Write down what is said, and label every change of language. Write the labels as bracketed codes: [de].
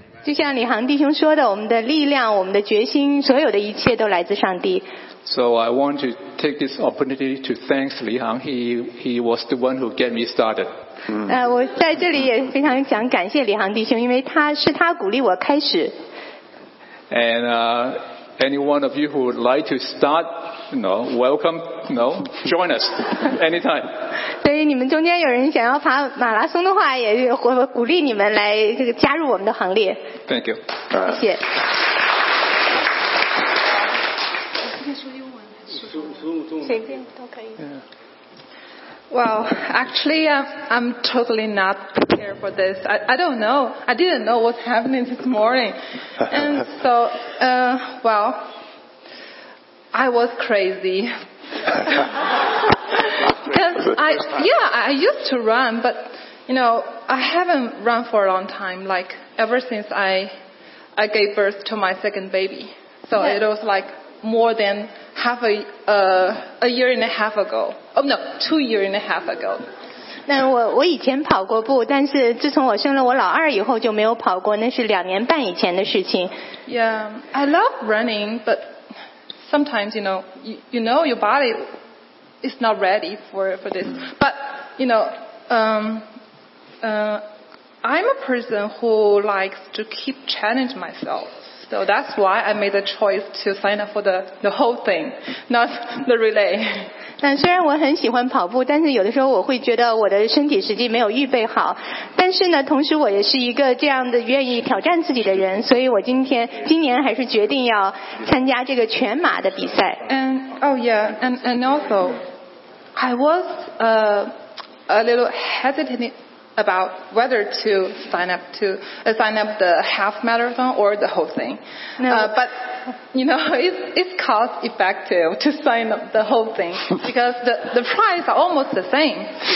[zh] 就像李航弟兄说的，我们的力量，我们的决心，所有的一切都来自上帝。 [en] So I want to take this opportunity to thank Li Hang. He was the one who get me started. [zh] 我在这里也非常想感谢李航弟兄，因为他鼓励我开始。 [en] And any one of you who would like to start, welcome, join us anytime. [zh] 所以你们中间有人想要跑马拉松的话，也鼓励你们来加入我们的行列。 [en] Thank you. [zh] 谢谢。 [en] Well, actually, I'm totally not prepared for this. I don't know. I didn't know what's happening this morning. And so, well, I was crazy. I used to run, but, I haven't run for a long time, like ever since I gave birth to my second baby. So it was like more than half a year and a half ago. Oh no, 2 years and a half ago. [zh] 那我以前跑过步，但是自从我生了我老二以后就没有跑过，那是两年半以前的事情。 [en] Yeah, I love running, but sometimes you know your body is not ready for this. But I'm a person who likes to keep challenge myself. So that's why I made the choice to sign up for the whole thing, not the relay. [zh] 那虽然我很喜欢跑步，但是有的时候我会觉得我的身体实际没有预备好。但是呢，同时我也是一个这样的愿意挑战自己的人，所以我今年还是决定要参加这个全马的比赛。 [en] And also, I was a little hesitant about whether to sign up the half marathon or the whole thing. No. But you know, it's cost effective to sign up the whole thing because the price are almost the same.